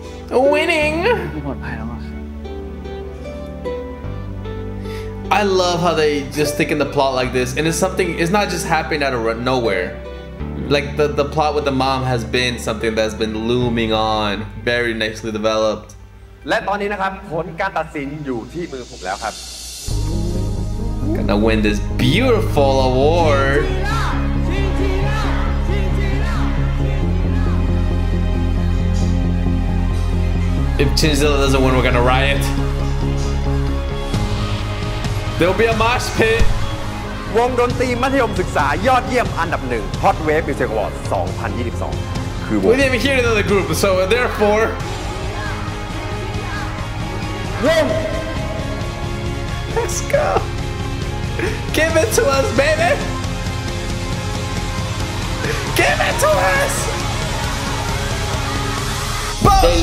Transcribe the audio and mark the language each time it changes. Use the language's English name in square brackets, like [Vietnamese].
[English] Winning! I love how they just stick in the plot like this, and it's something, it's not just happening out of nowhere. Like, the plot with the mom has been something that's been looming on, very nicely developed. [Thai] และตอนนี้นะครับผลการตัดสินอยู่ที่มือผมแล้วครับ [English] Gonna win this beautiful award. If Chinzilla doesn't win, we're gonna riot. There'll be a mosh pit. [Thai] วงดนตรีมัธยมศึกษายอดเยี่ยมอันดับหนึ่ง Hot Wave Music Awards 2022คือ [English] We didn't even hear another group, so therefore Let's go. Give it to us, baby. Give it to us. Boom.